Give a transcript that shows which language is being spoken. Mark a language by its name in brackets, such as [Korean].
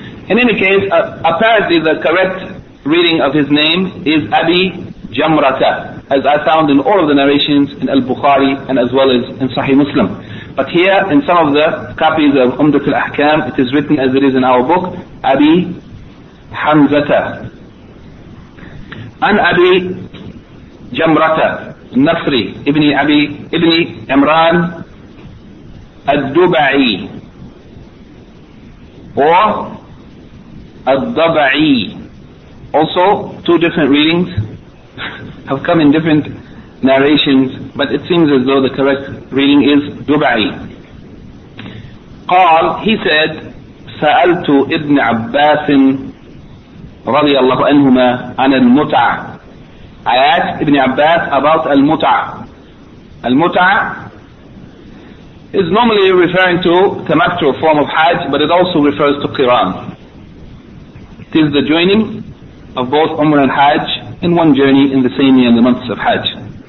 [English] In any case, apparently the correct reading of his name is Abi Jamrata, as I found in all of the narrations in Al-Bukhari and as well as in Sahih Muslim. But here in some of the copies of Umdat al-Ahkam it is written as it is in our book, Abi Hamzata. [Arabic] عن أبي جمرة النصري ابن أبي ابن عمران الدبعي والضبعي, [English] also two different readings have come in different narrations, but it seems as though the correct reading is Dubai. [Arabic] قال, [English] he said, [Arabic] سألت ابن عباس رضي الله عنهما عن المتعة. [English] I asked Ibn Abbas about al-muta'. Al-muta' is normally referring to tamattu, form of hajj, but it also refers to qiran. It is the joining of both umrah and hajj in one journey in the same year in the months of hajj.